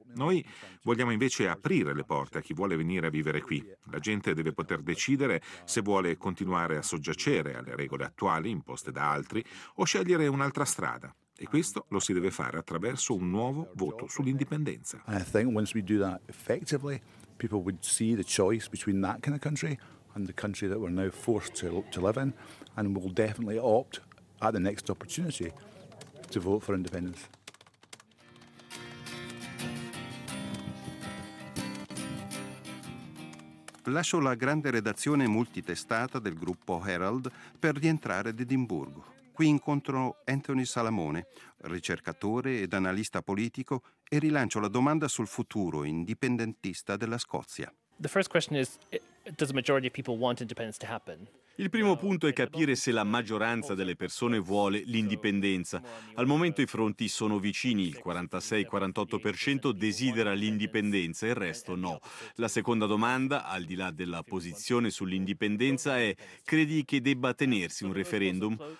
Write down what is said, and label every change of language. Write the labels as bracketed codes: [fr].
[it] Noi vogliamo invece aprire le porte a chi vuole venire a vivere qui. La gente deve poter decidere se vuole continuare a soggiacere alle regole attuali imposte da altri o scegliere un'altra strada. E questo lo si deve fare attraverso un nuovo voto sull'indipendenza. [en] I think once we do that effectively, people would see the choice between that kind of country and the country that we're now forced to live in, and will definitely opt at the next opportunity to vote for independence. [it] Lascio la grande redazione multitestata del gruppo Herald per rientrare ad Edimburgo. Qui incontro Anthony Salamone, ricercatore ed analista politico, e rilancio la domanda sul futuro indipendentista della Scozia. [en] The first question is, does the majority of people want independence to happen? [it] Il primo punto è capire se la maggioranza delle persone vuole l'indipendenza. Al momento i fronti sono vicini, il 46-48% desidera l'indipendenza e il resto no. La seconda domanda, al di là della posizione sull'indipendenza, è: credi che debba tenersi un referendum?